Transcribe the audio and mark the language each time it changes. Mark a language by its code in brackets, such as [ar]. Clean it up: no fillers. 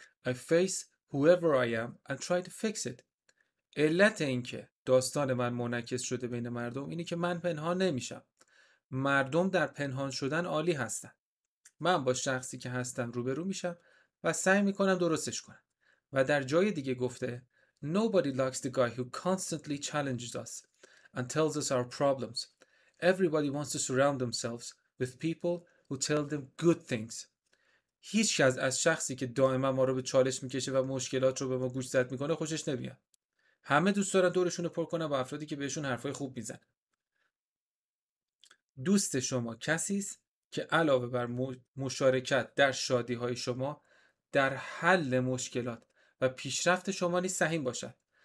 [en] I face whoever I am and try to fix it. [fa] علت این که داستان من منعکس شده بین مردم اینه که من پنهان نمیشم. مردم در پنهان شدن عالی هستن. من با شخصی که هستم روبرو میشم و سعی میکنم درستش کنم. [en] و در جای دیگه گفته Nobody likes the guy who constantly challenges us and tells us our problems. Everybody wants to surround themselves with people who tell them good things. [fa] هیچ کس از شخصی که دائما ما رو به چالش میکشه و مشکلات رو به ما گوش زد میکنه خوشش نمیاد. همه دوست دارن دورشون رو پر کنن با افرادی که بهشون حرفای خوب میزنن. دوست شما کسی است که علاوه بر مشارکت در شادی های شما، در حل مشکلات و پیشرفت شما نیز سهیم باشد.